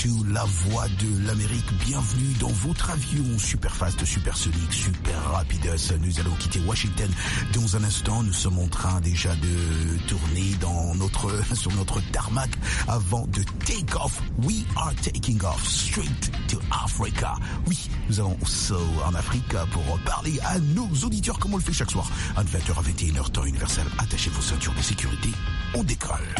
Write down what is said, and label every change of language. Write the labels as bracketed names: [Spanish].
[French] La voix de l'Amérique, bienvenue dans votre avion [English] super fast, super sonic, [French] super rapidus. Nous allons quitter Washington dans un instant. Nous sommes en train déjà de tourner dans notre, sur notre tarmac avant de take off. [English] We are taking off straight to Africa. [French] Oui, nous allons aussi en Afrique pour parler à nos auditeurs comme on le fait chaque soir. À 20h à 21h, temps universel. Attachez vos ceintures de sécurité. On décolle.